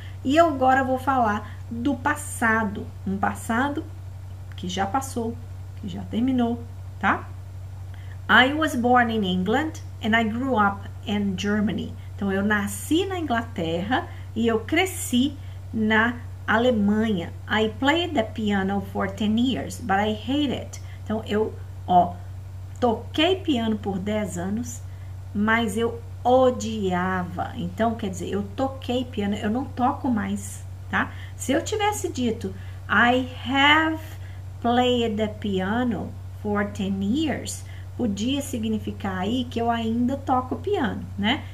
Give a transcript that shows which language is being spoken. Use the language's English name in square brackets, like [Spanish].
[Portuguese] E eu agora vou falar do passado, um passado que já passou, que já terminou, tá? [English] I was born in England and I grew up in Germany. [Portuguese] Então eu nasci na Inglaterra e eu cresci na Alemanha. [English] I played the piano for 10 years, but I hate it. [Portuguese] Então eu, ó, toquei piano por 10 anos, mas eu odiava. Então quer dizer, eu toquei piano, eu não toco mais, tá? Se eu tivesse dito [English] I have played the piano for 10 years, [Portuguese] podia significar aí que eu ainda toco piano, né?